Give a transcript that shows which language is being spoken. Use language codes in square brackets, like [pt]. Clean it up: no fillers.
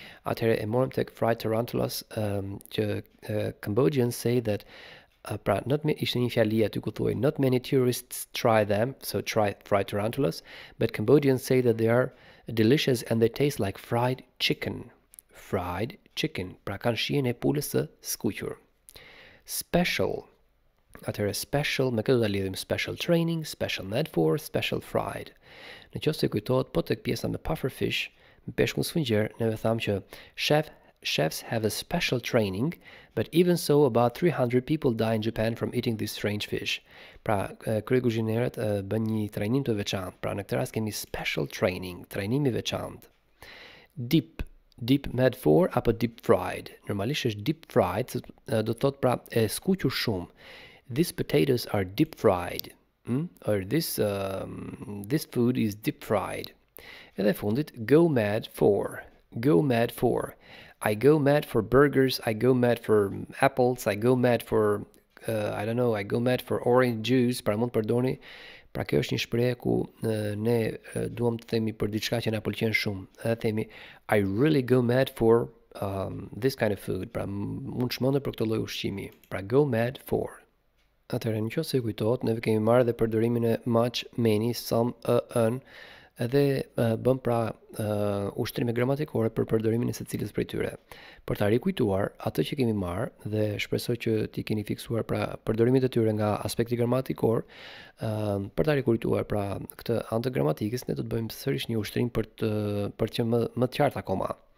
[sq] Atëherë e morëm tek fried tarantulas, që [en] Cambodians say that [sq] Pra not me ishte një fjali aty ku thuaj [en] not many tourists try them, so try tarantulas, but Cambodians say that they are delicious and they taste like fried chicken. Fried chicken, [sq] pra kanë shijen e pulës së skuqur. [en] Special. [sq] Atëherë [en] special, [sq] me këtë do ta lidhim [en] special training, special med for, special fried. [sq] Në qoftë se kujtohet po tek pjesa me puffer fish, me peshkun sfungjer, ne ve thamë që [en] chefs have a special training, but even so about 300 people die in Japan from eating this strange fish. [sq] Pra kryekuzhinierët bën një trajnim të veçantë. Pra në këtë rast kemi [en] special training, [sq] trajnim i veçantë. Deep med for apo deep fried. Normalisht është deep fried, do të thotë pra e skuqur shumë. [en] These potatoes are deep fried. Or this food is deep fried. [sq] Edhe fundit [en] go mad for. Go mad for. I go mad for burgers, I go mad for apples, I go mad for I don't know, I go mad for orange juice, [sq] pra mund përdorni. Pra kjo është një shprehje ku ne duam të themi për diçka që na pëlqen shumë. Edhe themi [en] I really go mad for this kind of food. [sq] Pra mund shmonde për këtë lloj ushqimi. Pra [en] go mad for. [sq] Atëherë në qoftë se kujtohet, ne kemi marrë dhe përdorimin e much, many, some, an, edhe bëm pra ushtrime gramatikore për përdorimin e secilës prej tyre. Për ta rikujtuar atë që kemi marrë dhe shpresoj që ti keni fiksuar pra përdorimin e tyre nga aspekti gramatikor, për ta rikujtuar pra këtë anë të gramatikës, ne do të bëjmë sërish një ushtrim për që më të qartë akoma.